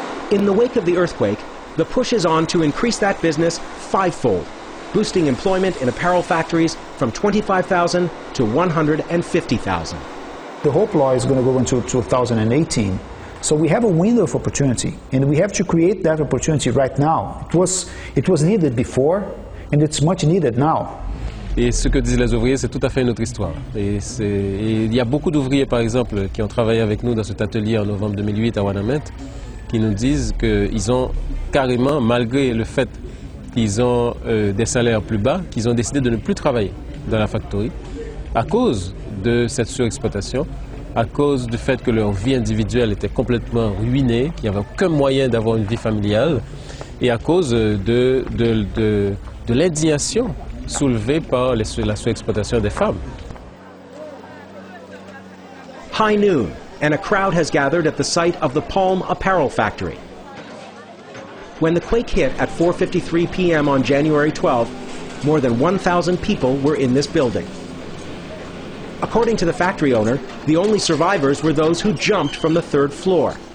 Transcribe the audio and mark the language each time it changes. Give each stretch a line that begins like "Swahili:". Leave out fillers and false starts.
English: In the wake of the earthquake, the push is on to increase that business fivefold, boosting employment in apparel factories from 25,000 to 150,000. The HOPE law is going to go into 2018. So we have a window of opportunity, and we have to create that opportunity right now. It was needed before, and it's much needed now.
French: Et ce que disent les ouvriers, c'est tout à fait une autre histoire. Et il y a beaucoup d'ouvriers, par exemple, qui ont travaillé avec nous dans cet atelier en novembre 2008 à Wanamet, qui nous disent qu'ils ont carrément, malgré le fait qu'ils ont des salaires plus bas, qu'ils ont décidé de ne plus travailler dans la factory à cause de cette surexploitation, à cause du fait que leur vie individuelle était complètement ruinée, qu'il n'y avait aucun moyen d'avoir une vie familiale, et à cause de l'indignation soulevée par la surexploitation des femmes.
English: High noon. And a crowd has gathered at the site of the Palm Apparel Factory. When the quake hit at 4:53 p.m. on January 12, more than 1,000 people were in this building. According to the factory owner, the only survivors were those who jumped from the third floor.